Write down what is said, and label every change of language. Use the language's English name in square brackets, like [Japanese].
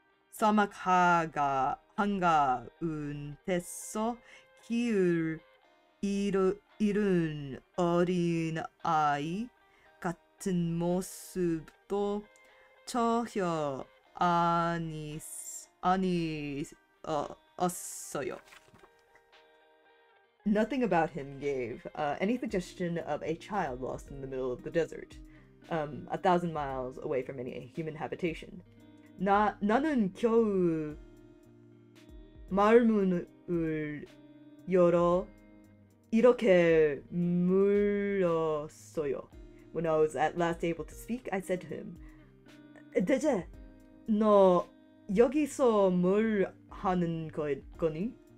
[Korean] 사막 한가운데서 길을 잃은 어린 아이 같은 모습도 전혀 아니었어요. [English] Nothing about him gave any suggestion of a child lost in the middle of the desert, 1,000 miles away from any human habitation. [Korean] 나는 겨우 말문을 열어 이렇게 물었어요. [English] When I was at last able to speak, I said to him, [Korean] 대체 너 여기서 뭘 하는 거니?